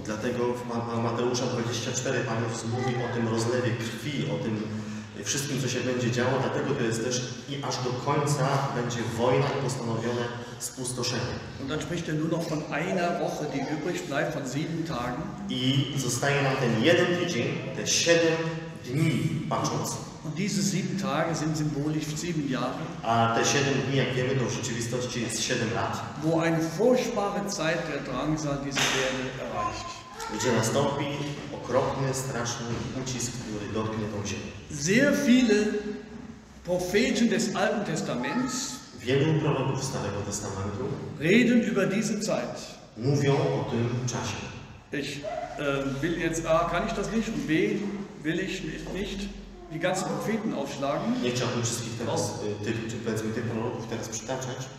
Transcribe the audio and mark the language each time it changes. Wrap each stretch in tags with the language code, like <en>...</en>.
<pl>I dlatego w Mateusza 24 Pan Jezus mówi o tym rozlewie krwi, o tym wszystkim, co się będzie działo. Dlatego to jest też i aż do końca będzie wojna postanowione.</pl> <de>Und dann spricht er nur noch von einer Woche, die übrig bleibt, von 7 Tagen.</de> <pl>I zostaje nam ten jeden tydzień, te 7 dni patrząc.</pl> <de>Und diese 7 Tage sind symbolisch 7 Jahre.</de> <pl>A te 7 dni, jak wiemy, to w rzeczywistości jest 7 lat.</pl> <de>Wo eine furchtbare Zeit der Drangsal diese Erde erreicht.</de> <pl>Gdzie nastąpi okropny, straszny ucisk, który dotknie tą ziemię.</pl> <de>Sehr viele Propheten des Alten Testaments.</de> <pl>Wielu prorogów Starego Testamentu</pl> <de>reden über diese Zeit.</de> <pl>Mówią o tym czasie.</pl> <de>Ich will jetzt A, kann ich das nicht? Und B, will ich nicht die ganzen Propheten aufschlagen?</de> <pl>Nie chciałbym wszystkich teraz, tych prorogów teraz przytaczać.</pl>